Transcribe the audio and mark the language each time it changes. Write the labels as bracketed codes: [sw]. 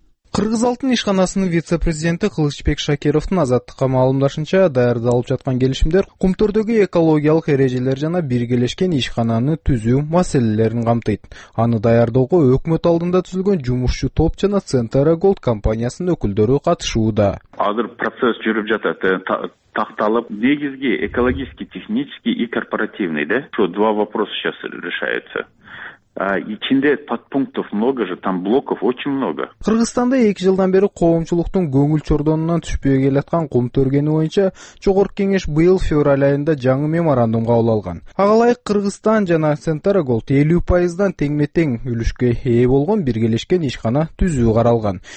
[ky] Кыргыз алтын ишканасынын вице-президенти Кылычбек Шакировдун азаттыкка маалымдашынча даярдалып жаткан келишимдер Кумтурдогу экологиялык эрежелер жана биргелешкен ишкананы түзүү маселелерин камтыйт. Аны даярдоого өкмөт алдында түзүлгөн жумушчу топ жана Центра Голд компаниясынын өкүлдөрү катышууда. Азыр процесс жүрүп жатат. [ru] Такталып негизги экологический, технический и корпоративный, да? Ошо два вопроса сейчас решаются. Ичинде подпунктов много же, там блоков очень много. [ky] Кыргызстанда 2 бери коомчулуктун көңүл чордонунан түшпөй келаткан Кумтур кени боюнча Жогорку Кеңеш быйыл февраль айында жаңы меморандум кабыл алган. Ага ылайык Кыргызстан жана Центра Голд 50%дан теңме-тең үлүшкө ээ болгон биргелешкен ишкана түзүү каралган.